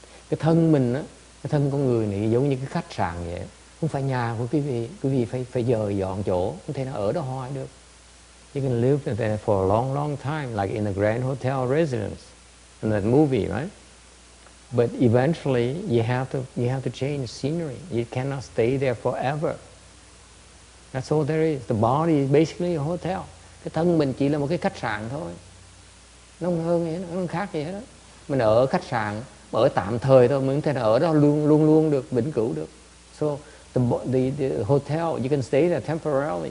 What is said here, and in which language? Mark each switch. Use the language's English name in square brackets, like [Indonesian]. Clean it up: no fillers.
[Vietnamese] Cái thân mình á, cái thân con người này giống như cái khách sạn vậy. Không phải nhà của quý vị phải dời dọn chỗ, không thể nó ở đó hoài được. [English] You can live there for a long, long time, like in a grand hotel residence, in that movie, right? But eventually, you have to change scenery. You cannot stay there forever. That's all there is. The body is basically a hotel. [Vietnamese] Cái thân mình chỉ là một cái khách sạn thôi. Nó hơn gì hết, nó khác gì hết. Mình ở khách sạn, ở tạm thời thôi, mình có thể ở đó luôn, luôn luôn được, vĩnh cửu được. [English] So, the hotel, you can stay there temporarily.